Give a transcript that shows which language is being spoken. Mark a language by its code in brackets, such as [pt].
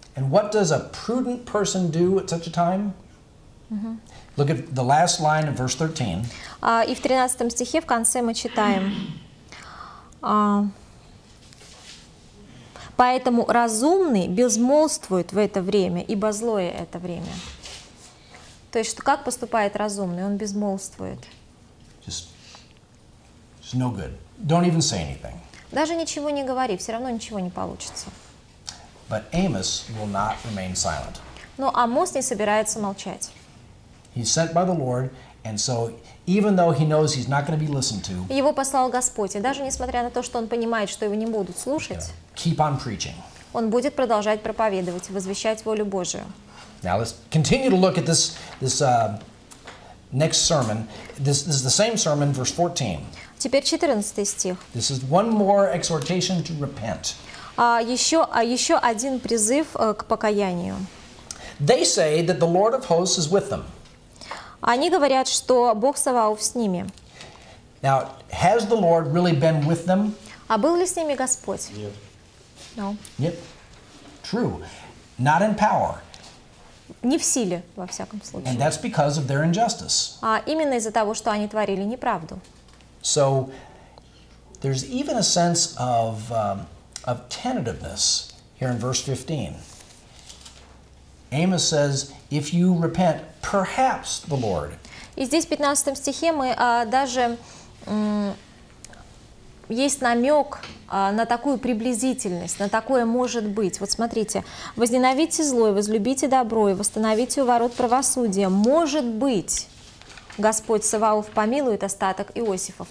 [en] And what does a prudent person do at such a time? Mm-hmm. Look at the last line of verse 13. [ru] И в 13 стихе в конце мы читаем. Поэтому разумный безмолвствует в это время, ибо злое это время. То есть, как поступает разумный? Он безмолвствует. [en] It's no good. Don't even say anything. [ru] Даже ничего не говори, все равно ничего не получится. [en] But Amos will not remain silent. [ru] Но Амос не собирается молчать. [en] He's sent by the Lord, and so even though he knows he's not going to be listened to. [ru] Его послал Господь, и даже несмотря на то, что он понимает, что его не будут слушать. [en] Keep on preaching. [ru] Он будет продолжать проповедовать, возвещать волю Божию. [en] Now let's continue to look at this next sermon. This is the same sermon, verse 14. [ru] Теперь 14 стих. [en] This is one more exhortation to repent. [ru] Еще один призыв к покаянию. [en] They say that the Lord of hosts is with them. [ru] Они говорят, что Бог Саваоф с ними. [en] Now, has the Lord really been with them? [ru] А был ли с ними Господь? Нет. [en] No. Yep. True. Not in power. [ru] Не в силе, во всяком случае. [en] And that's because of their injustice. [ru] Именно из-за того, что они творили неправду. [en] So there's even a sense of tentativeness here in verse 15. Amos says, "If you repent, perhaps the Lord." [ru] И здесь в 15 стихе мы даже есть намек на такую приблизительность, на такое может быть. Вот смотрите: возненавидьте зло, возлюбите добро, и восстановите у ворот правосудия. Может быть. Господь Саваоф помилует остаток Иосифов.